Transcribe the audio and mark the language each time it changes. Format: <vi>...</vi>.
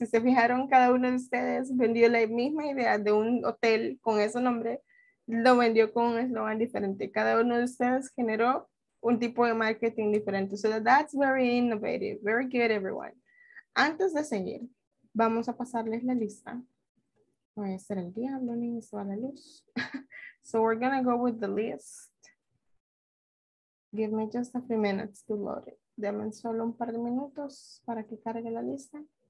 <es>Si se fijaron, cada uno de ustedes vendió la misma idea de un hotel con ese nombre, lo vendió con un eslogan diferente. Cada uno de ustedes generó un tipo de marketing diferente.</es> <en>So that's very innovative. Very good, everyone.</en> <es>Antes de seguir, vamos a pasarles la lista. Voy a hacer el diablo, niños, a la luz.</es> <en>So we're going to go with the list. Give me just a few minutes to load it.</en> <es>Denme solo un par de minutos para que cargue la lista.</es>